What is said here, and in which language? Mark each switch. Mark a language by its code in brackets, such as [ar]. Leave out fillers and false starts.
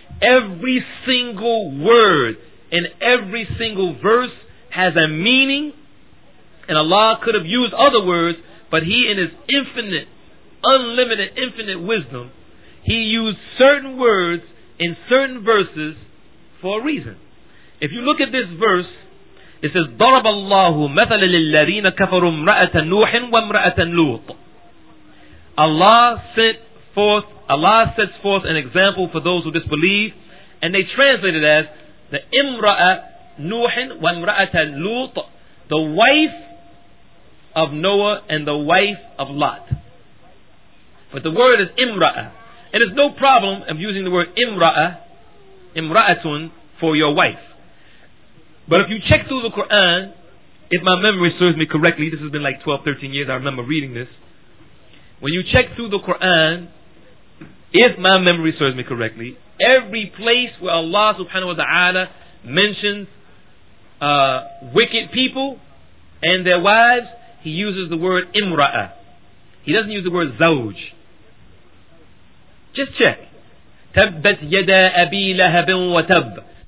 [en] Every single word in every single verse has a meaning, and Allah could have used other words, but He in His infinite, unlimited, infinite wisdom, He used certain words in certain verses for a reason. If you look at this verse, It says, [ar] ضَرَبَ اللَّهُ مَثَلَ لِلَّذِينَ كَفَرُوا امْرَأَةَ نُوحٍ وَامْرَأَةَ لُوطٍ. [en] Allah sets forth an example for those who disbelieve, and they translate it as the [ar] imra'a Nuhin wa imra'ata Lut, [en] the wife of Noah and the wife of Lot. But the word is imra'a, and it's no problem of using the word imra'a, imra'atun, for your wife. But if you check through the Quran, if my memory serves me correctly, this has been like 12-13 years I remember reading this. When you check through the Quran, if my memory serves me correctly, every place where Allah subhanahu wa ta'ala mentions wicked people and their wives, He uses the word imra'a. He doesn't use the word zawj. Just check. [ar] تَبَّتْ يَدَا أَبِي لَهَبٍ وَتَبَّ.